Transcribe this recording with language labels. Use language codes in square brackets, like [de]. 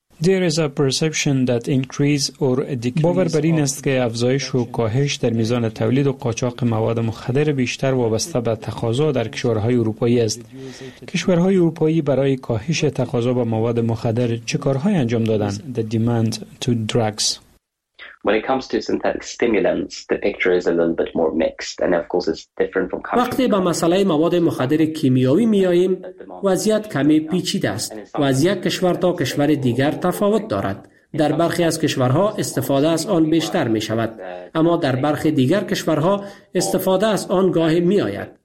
[en] There is a perception that increase or decrease. [fa] باور بر این است که افزایش و کاهش در میزان تولید و قاچاق مواد مخدر بیشتر وابسته به تقاضا در کشورهای اروپایی است. کشورهای اروپایی برای کاهش تقاضا به مواد مخدر چه کارهایی انجام دادند؟ [en] The demand to drugs. When it comes to synthetic stimulants, the picture is a little bit more mixed, and of course, it's different from country. [fa] وقتی به مسئله مواد مخدر کیمیایی می‌آییم، وضعیت کمی پیچیده است. وضعیت کشور تا کشور دیگر تفاوت دارد. در برخی از کشورها استفاده از آن بیشتر می شود، اما در برخی دیگر کشورها استفاده از آن گاهی می آید.